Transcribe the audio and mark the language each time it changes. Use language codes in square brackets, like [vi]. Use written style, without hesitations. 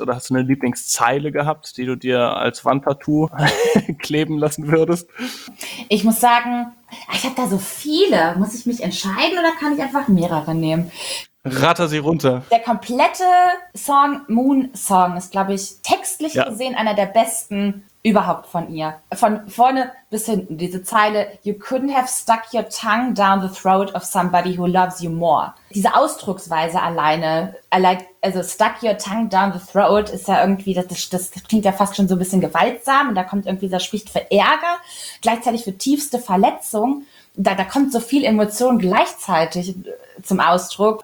[de] Oder hast du eine Lieblingszeile gehabt, die du dir als Wandtattoo kleben lassen würdest? Ich muss sagen, ich habe da so viele. Muss ich mich entscheiden oder kann ich einfach mehrere nehmen? Ratter sie runter. Der komplette Song, Moon Song, ist, glaube ich, textlich gesehen einer der besten überhaupt von ihr. Von vorne bis hinten. Diese Zeile, [en] you couldn't have stuck your tongue down the throat of somebody who loves you more. [de] Diese Ausdrucksweise alleine, also [en] stuck your tongue down the throat, [de] ist ja irgendwie, das klingt ja fast schon so ein bisschen gewaltsam. Und da kommt irgendwie, das spricht für Ärger, gleichzeitig für tiefste Verletzung. Da kommt so viel Emotion gleichzeitig zum Ausdruck.